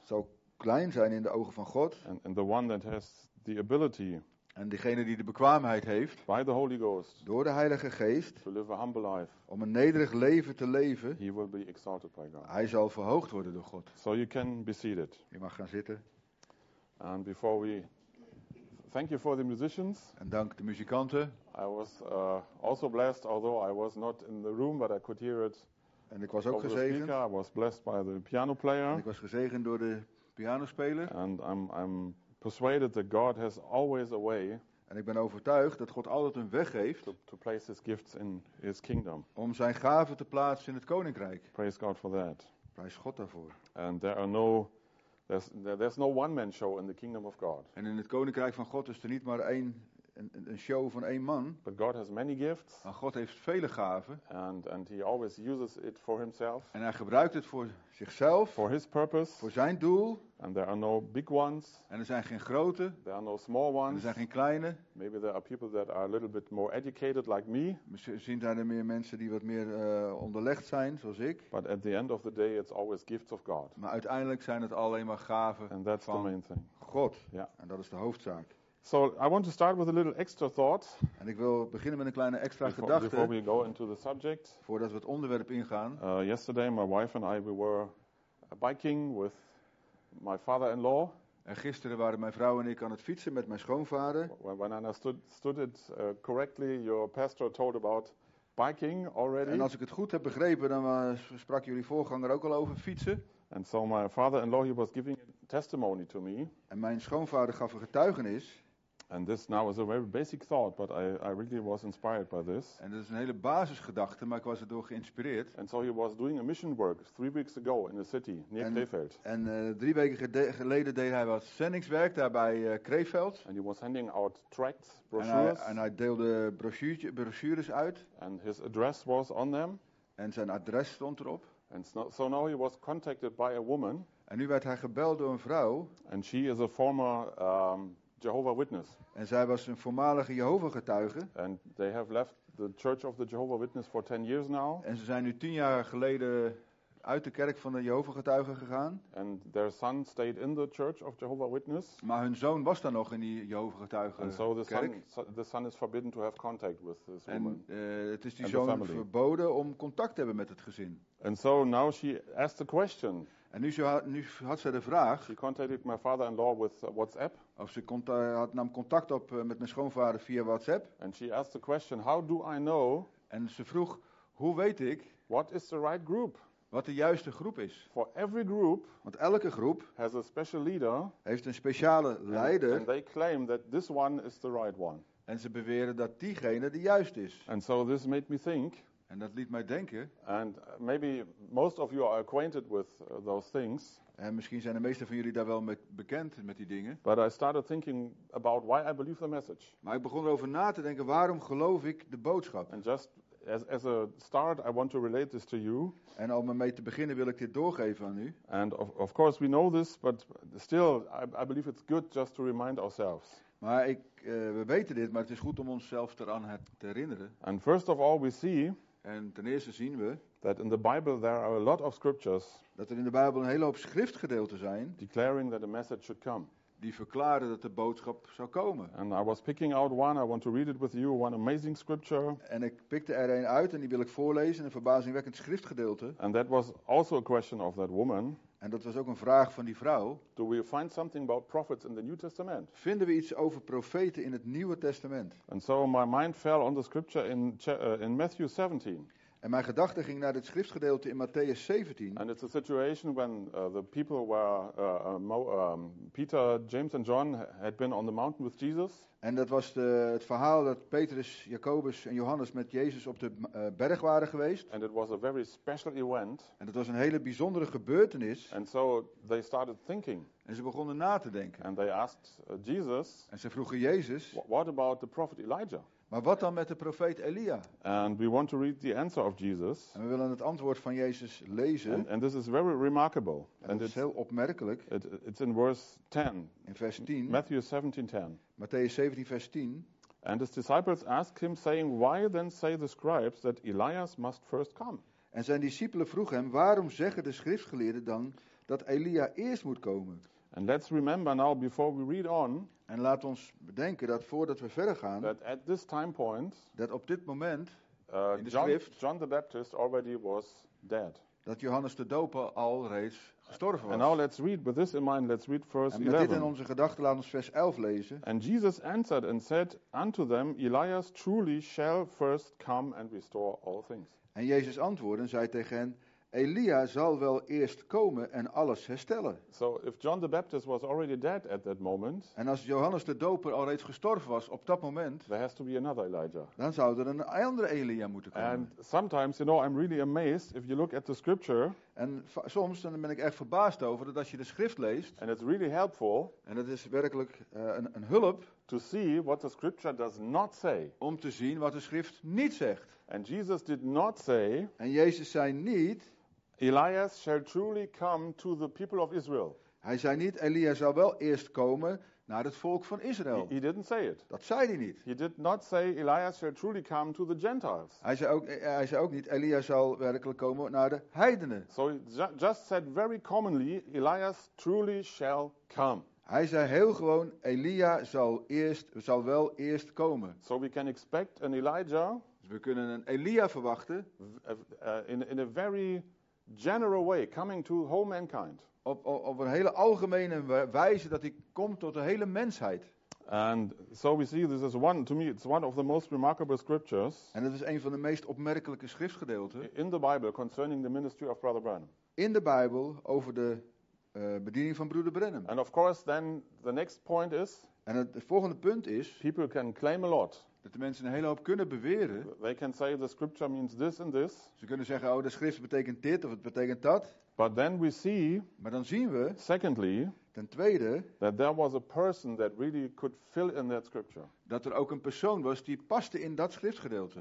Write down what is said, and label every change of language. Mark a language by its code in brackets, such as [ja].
[nl] Zal klein zijn in de ogen van God. [en] And the one that has the ability. [nl] En degene die de bekwaamheid heeft. [en] By the Holy Ghost, [nl] door de Heilige Geest. [en] To live a humble life, [nl] om een nederig leven te leven. [en] He will be exalted by God. [nl] Hij zal verhoogd worden door God. [en] So you can be seated. [nl] Je mag gaan zitten. [en] And before we thank you for the musicians. [nl] En dank de muzikanten. [en] I was also blessed, although I was not in the room, but I could hear it. [nl] En ik was ook gezegend. [en] I was blessed by the piano player. [nl] En ik was gezegend door de pianospeler. [en] And I'm persuaded that God has always a way. [nl] En ik ben overtuigd dat God altijd een weg heeft. [en] To place his gifts in his kingdom. [nl] Om zijn gaven te plaatsen in het koninkrijk. [en] Praise God for that. [nl] Prijs God daarvoor. [en] And there's no one man show in the kingdom of God. [nl] En in het koninkrijk van God is er niet maar een show van één man. [en] But God has many gifts. [nl] Maar God heeft vele gaven. [en] And he always uses it for himself. [nl] En hij gebruikt het voor zichzelf. [en] For his purpose. [nl] Voor zijn doel. [en] And there are no big ones. [nl] En er zijn geen grote. [en] There are no small ones. [nl] En er zijn geen kleine. [en] Maybe there are people that are a little bit more educated like me. [nl] Misschien zijn er meer mensen die wat meer onderlegd zijn, zoals ik. [en] But at the end of the day, it's always gifts of God. [nl] Maar uiteindelijk zijn het alleen maar gaven van God. [en] And that's the main thing. [nl] God. Ja. En dat is de hoofdzaak. [en] So I want to start with a little extra thought. [nl] En ik wil beginnen met een kleine extra gedachte. [en] Before we go into the subject. [nl] Voordat we het onderwerp ingaan. [en] Yesterday my wife and I, we were biking with my father-in-law. [nl] En gisteren waren mijn vrouw en ik aan het fietsen met mijn schoonvader. [en] When I understood it correctly, your pastor told about biking already. [nl] En als ik het goed heb begrepen, dan sprak jullie voorganger ook al over fietsen. [en] And so my father-in-law, he was giving testimony to me. [nl] En mijn schoonvader gaf een getuigenis. [en] And this now is a very basic thought, but I really was inspired by this. [nl] En dat is een hele basisgedachte, maar ik was erdoor geïnspireerd. [en] And so he was doing a mission work 3 weeks ago in a city near Krefeld. [nl] En 3 weken geleden deed hij wat zendingswerk daar bij Krefeld. [en] And he was handing out tracts, brochures. [nl] En hij deelde brochures uit. [en] And his address was on them. [nl] En zijn adres stond erop. [en] And so now he was contacted by a woman. [nl] En nu werd hij gebeld door een vrouw. [en] And she is a former Jehovah Witness. [nl] En zij was een voormalige Jehovah getuige. [en] And they have left the Church of the Jehovah Witness for 10 years now. [nl] En ze zijn nu 10 jaar geleden uit de kerk van de Jehovah getuigen gegaan. [en] And their son stayed in the Church of Jehovah Witness. [nl] Maar hun zoon was dan nog in die Jehovah getuigen [en] kerk. And so the son is forbidden to have contact with this woman. [nl] En het is die zoon verboden om contact te hebben met het gezin. [en] And so now she asked the question. [nl] En nu had ze de vraag. [en] She contacted my father-in-law with WhatsApp. [nl] Of ze nam contact op met mijn schoonvader via WhatsApp. [en] And she asked the question, how do I know? [nl] En ze vroeg, hoe weet ik? [en] What is the right group? [nl] Wat de juiste groep is. [en] For every group. [nl] Want elke groep [en] has a special leader. [nl] Heeft een speciale leider. [en] And they claim that this one is the right one. [nl] En ze beweren dat diegene de juiste is. [en] And so this made me think. [nl] En dat liet mij denken. [en] And maybe most of you are acquainted with those things. [nl] En misschien zijn de meeste van jullie daar wel mee bekend met die dingen. [en] But I started thinking about why I believe the message. [nl] Maar ik begon erover na te denken, waarom geloof ik de boodschap? [en] And just as a start, I want to relate this to you. [nl] En om ermee te beginnen wil ik dit doorgeven aan u. [en] And of course we know this, but still I believe it's good just to remind ourselves. [nl] Maar we weten dit, maar het is goed om onszelf eraan te herinneren. [en] And first of all we see. [nl] En ten eerste zien we [en] that in the Bible there are a lot of scriptures [nl] dat er in de Bijbel een hele hoop schriftgedeelten zijn [en] declaring that the message should come. [nl] Die verklaren dat de boodschap zou komen. [en] And I was picking out one, I want to read it with you, one amazing scripture. [nl] En ik pikte er een uit en die wil ik voorlezen, een verbazingwekkend schriftgedeelte. [en] And that was also a question of that woman. [nl] En dat was ook een vraag van die vrouw. [en] Do we find something about prophets in the New Testament? [nl] Vinden we iets over profeten in het Nieuwe Testament? [en] And so my mind fell on the scripture in Matthew 17. [nl] En mijn gedachte ging naar het schriftgedeelte in Matthäus 17. [en] And it's a situation when the people were Peter, James and John had been on the mountain with Jesus. [nl] En dat was het verhaal dat Petrus, Jacobus en Johannes met Jezus op de berg waren geweest. [en] And it was a very special event. [nl] En dat was een hele bijzondere gebeurtenis. [en] And so they started thinking. [nl] En ze begonnen na te denken. [en] And they asked Jesus. [nl] En ze vroegen Jezus. [en] What about the prophet Elijah? [nl] Maar wat dan met de profeet Elia? [en] And we want to read the answer of Jesus. [nl] En we willen het antwoord van Jezus lezen. [en] And this is very remarkable. [nl] En dat is heel opmerkelijk. [en] It's in verse 10. [nl] In vers 10. [en] Matthew 17:10. [nl] Matthäus 17 vers 10. [en] And his disciples asked him, saying, why then say the scribes that Elias must first come? [nl] En zijn discipelen vroegen hem, waarom zeggen de schriftgeleerden dan dat Elia eerst moet komen? [en] And let's remember now before we read on. [nl] En laat ons bedenken dat voordat we verder gaan. [en] That at this time point. [nl] Dat op dit moment in de [en] John, [nl] schrift. [en] John the Baptist already was dead. [nl] Dat Johannes de Doper al reeds gestorven was. [en] And now let's read with this in mind. Let's read verse 11. [nl] En met dit in onze gedachten laat ons vers 11 lezen. [en] And Jesus answered and said unto them, Elias truly shall first come and restore all things. [nl] En Jezus antwoordde en zei tegen hen. Elia zal wel eerst komen en alles herstellen. [en] So if John the Baptist was already dead at that moment. [nl] En als Johannes de Doper al reeds gestorven was op dat moment. [en] There has to be another Elijah. [nl] Dan zou er een andere Elia moeten komen. [en] And sometimes, you know, I'm really amazed if you look at the scripture. [nl] En soms dan ben ik echt verbaasd over dat als je de schrift leest. [en] And it's really helpful. [nl] En het is werkelijk een hulp. [en] To see what the scripture does not say. [nl] Om te zien wat de schrift niet zegt. [en] And Jesus did not say. [nl] En Jezus zei niet. [en] Elias shall truly come to the people of Israel. [nl] Hij zei niet, Elia zal wel eerst komen naar het volk van Israël. [en] He didn't say it. [nl] Dat zei hij niet. [en] He did not say Elias shall truly come to the Gentiles. [nl] Hij zei ook niet, Elia zal werkelijk komen naar de heidenen. [en] So he just said very commonly, Elias truly shall come. [nl] Hij zei heel gewoon, Elia zal wel eerst komen. [en] So we can expect an Elijah. [nl] Dus we kunnen een Elia verwachten. [en] In a very general way, coming to whole mankind. [nl] Op een hele algemene wijze dat hij komt tot de hele mensheid. [en] And so we see this is one, to me, it's one of the most remarkable scriptures. [nl] En het is een van de meest opmerkelijke schriftgedeelten. [en] In the Bible concerning the ministry of Brother Branham. [nl] In de Bijbel over de bediening van broeder Branham. [en] And of course then the next point is. [nl] En het volgende punt is. [en] People can claim a lot. [nl] Dat de mensen een hele hoop kunnen beweren. [en] They can say the scripture means this and this. [nl] Ze kunnen zeggen, oh, de schrift betekent dit of het betekent dat. [en] But then we see. [nl] Maar dan zien we. [en] Secondly. [nl] Ten tweede. [en] That there was a person that really could fill in that scripture. [nl] Dat er ook een persoon was die paste in dat schriftgedeelte.